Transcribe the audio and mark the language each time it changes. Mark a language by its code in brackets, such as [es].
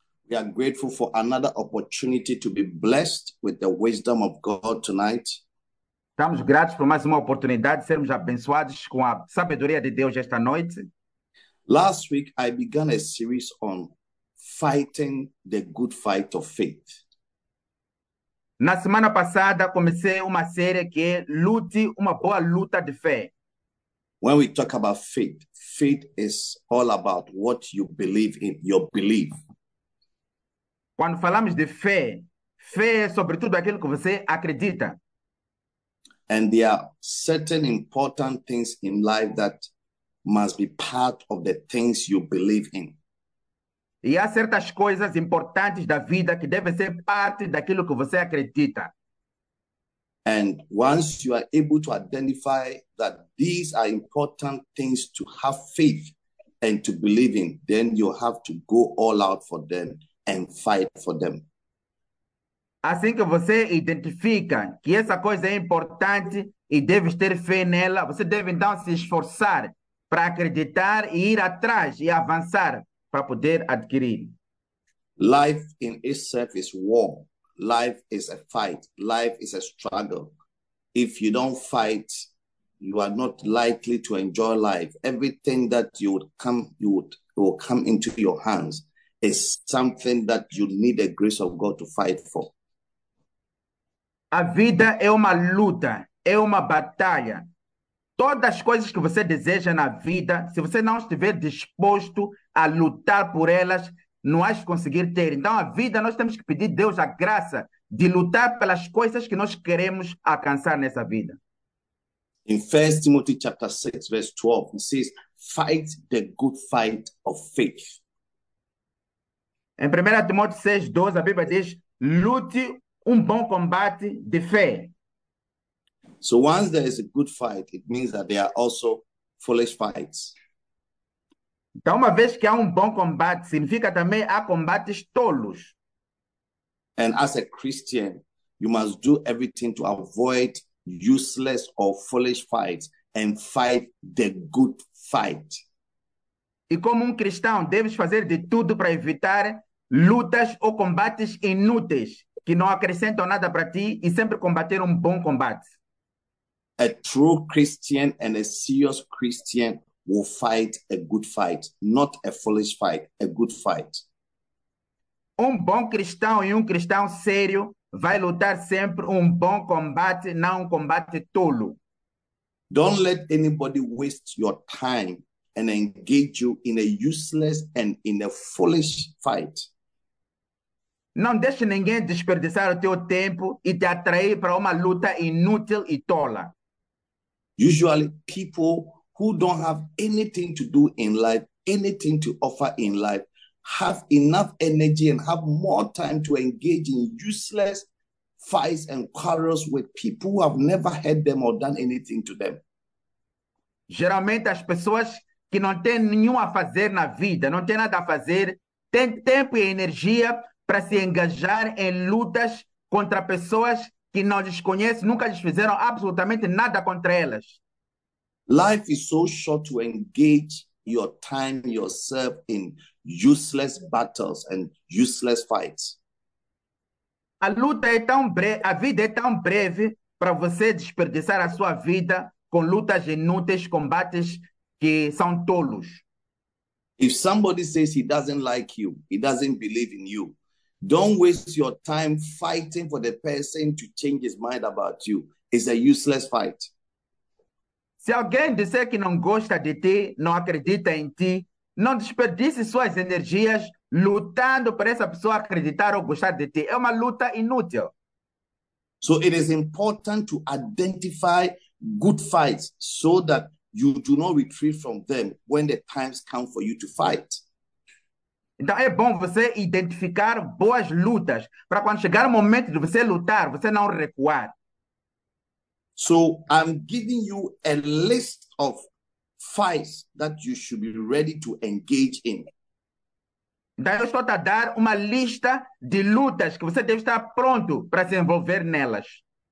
[en] We are grateful for another opportunity to be blessed with the wisdom of God tonight. [pt] Estamos gratos por mais uma oportunidade de sermos abençoados com a sabedoria de Deus esta noite. [en] Last week I began a series on fighting the good fight of faith. [pt] Na semana passada comecei uma série que é Lute uma boa luta de fé. [en] When we talk about faith, faith is all about what you believe in, your belief. [pt] Quando falamos de fé, fé é sobretudo aquilo que você acredita. [en] And there are certain important things in life that must be part of the things you believe in. [pt] E há certas coisas importantes da vida que devem ser parte daquilo que você acredita. [en] And once you are able to identify that these are important things to have faith and to believe in, then you have to go all out for them and fight for them. [pt] Assim que você identifica que essa coisa é importante e deve ter fé nela, você deve então se esforçar para acreditar e ir atrás e avançar para poder adquirir. [en] Life in itself is war. Life is a fight. Life is a struggle. If you don't fight, you are not likely to enjoy life. Everything that you would come into your hands is something that you need the grace of God to fight for. [pt] A vida é uma luta, é uma batalha. Todas as coisas que você deseja na vida, se você não estiver disposto a lutar por elas, não vais conseguir ter. Então, a vida, nós temos que pedir a Deus a graça de lutar pelas coisas que nós queremos alcançar nessa vida. Em 1 Timóteo, capítulo 6, verso 12, ele diz, [en] fight the good fight of faith. [pt] Em 1 Timóteo 6, 12, a Bíblia diz, lute um bom combate de fé. [en] So once there is a good fight, it means that there are also foolish fights. [pt] Então, uma vez que há um bom combate, significa também há combates tolos. [en] And as a Christian, you must do everything to avoid useless or foolish fights and fight the good fight. [pt] E como cristão, deves fazer de tudo para evitar lutas ou combates inúteis que não acrescentam nada para ti e sempre combater um bom combate. [en] A true Christian and a serious Christian will fight a good fight, not a foolish fight, a good fight. [pt] Um bom cristão e cristão sério vai lutar sempre bom combate, não combate tolo. [en] Don't let anybody waste your time and engage you in a useless and in a foolish fight. [pt] Não deixe ninguém desperdiçar o teu tempo e te atrair para uma luta inútil e tola. [en] Usually, people who don't have anything to do in life, anything to offer in life, have enough energy and have more time to engage in useless fights and quarrels with people who have never hurt them or done anything to them. [pt] Geralmente, as pessoas que não têm nenhum a fazer na vida, não têm nada a fazer, têm tempo e energia para se engajar em lutas contra pessoas que não lhes conhecem, nunca lhes fizeram absolutamente nada contra elas. [en] Life is so short to engage your time, yourself in useless battles and useless fights. [pt] A luta é tão breve, a vida é tão breve para você desperdiçar a sua vida com lutas inúteis, combates que são tolos. [en] If somebody says he doesn't like you, he doesn't believe in you, don't waste your time fighting for the person to change his mind about you. It's a useless fight. [pt] Se alguém disser que não gosta de ti, não acredita em ti, não desperdice suas energias lutando para essa pessoa acreditar ou gostar de ti. É uma luta inútil. [en] So it is important to identify good fights so that You do not retreat from them when the times come for you to fight. [pt] Então é bom você identificar boas lutas para quando chegar o momento de você lutar, você não recuar. [en] So I'm giving you a list of fights that you should be ready to engage in. [pt] Então eu estou a dar uma lista de lutas que você deve estar pronto para se envolver nelas.